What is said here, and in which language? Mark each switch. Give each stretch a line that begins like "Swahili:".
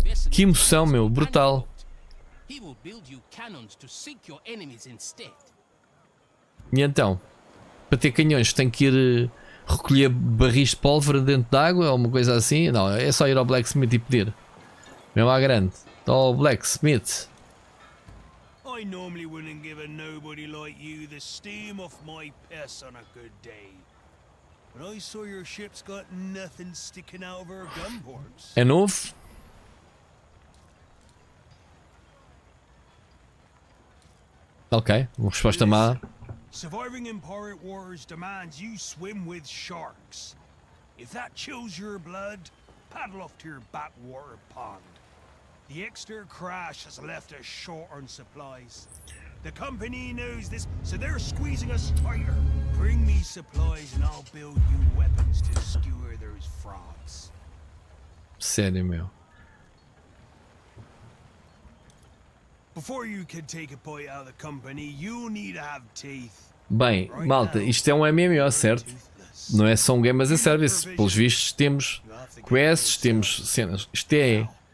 Portuguese: Que emoção, meu, brutal. E então? Para ter canhões tem que ir recolher barris de pólvora dentro de água ou uma coisa assim. Não, é só ir ao blacksmith e pedir. Mesmo à grande. Então, ao blacksmith.
English: I normally wouldn't give a nobody like you the steam off my piss on a good day. But I saw your ship's got nothing sticking out of her gunboards.
Portuguese: É novo? Ok, uma resposta má.
English: Surviving in pirate wars demands you swim with sharks. If that chills your blood, paddle off to your backwater pond. The Exeter crash has left us short on supplies. The company knows this, so they're squeezing us tighter. Bring me supplies and I'll build you weapons to skewer those frogs.
Portuguese: Sério, meu.
English: Before you can take a bite out of the company, you need to have teeth.
Portuguese: Bem, malta, isto é um MMO, certo? Não é só um Game as a Service. Pelos vistos, temos quests, temos cenas. Isto é...